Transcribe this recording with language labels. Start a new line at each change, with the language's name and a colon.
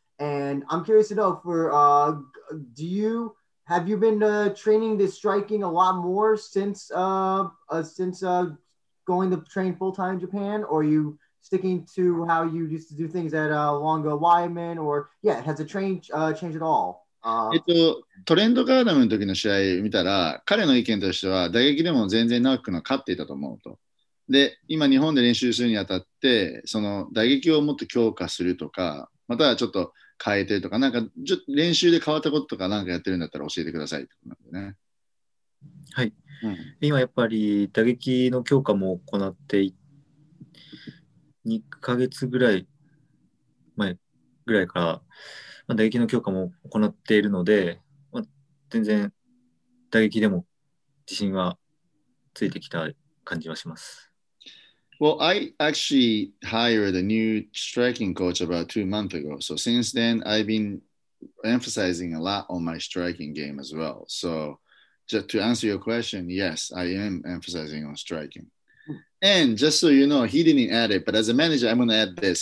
English: And I'm curious to know, have you been training this striking a lot more since going to train full-time in Japan? Or are you sticking to how you used to do things at Longo Wyman? Or, yeah, has the train changed at all?
Japanese: トレンドガーダムの時の試合見たら、彼の意見としては打撃でも全然長くの勝っていたと思うと。で今日本で練習するにあたってその打撃をもっと強化するとか、またはちょっと変えてるとか、なんか練習で変わったこととかなんかやってるんだったら教えてくださいってことなんでね。はい、うん、今やっぱり打撃の強化も行って2ヶ月ぐらい前ぐらいから、まあ、打撃の強化も行っているので、まあ、全然打撃でも自信はついてきた感じはします。
English: Well, I actually hired a new striking coach about 2 months ago. So since then, I've been emphasizing a lot on my striking game as well. So just to answer your question, yes, I am emphasizing on striking. And just so you know, he didn't add it, but as a manager, I'm going to add this.